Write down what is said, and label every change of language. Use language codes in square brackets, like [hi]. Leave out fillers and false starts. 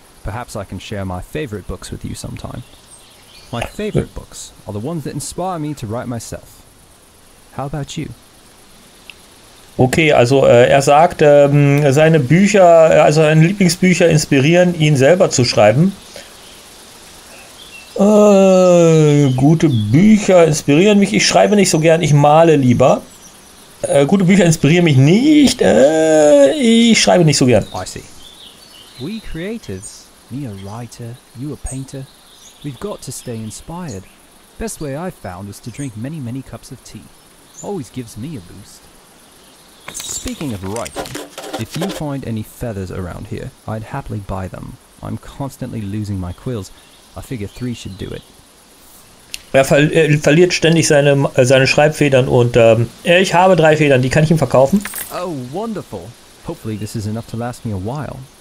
[en] Perhaps I can share my favorite books with you sometime. My favorite books are the ones that inspire me to write myself. How about you? [de] Okay, also er sagt, seine Bücher, also seine Lieblingsbücher inspirieren ihn selber zu schreiben. Gute Bücher inspirieren mich. Ich schreibe nicht so gern, ich male lieber. Gute Bücher inspirieren mich nicht. Ich schreibe nicht so gern. [en] I see. We creatives, me a writer, you a painter, we've got to stay inspired. Best way I've found is to drink many, many cups of tea. Always gives me a boost. Speaking of writing, if you find any feathers around here, I'd happily buy them. I'm constantly losing my quills. I figure three should do it. [de] Er verliert ständig seine Schreibfedern und ich habe drei Federn, die kann ich ihm verkaufen. [en] Oh, wonderful. Hopefully this is enough to last me a while.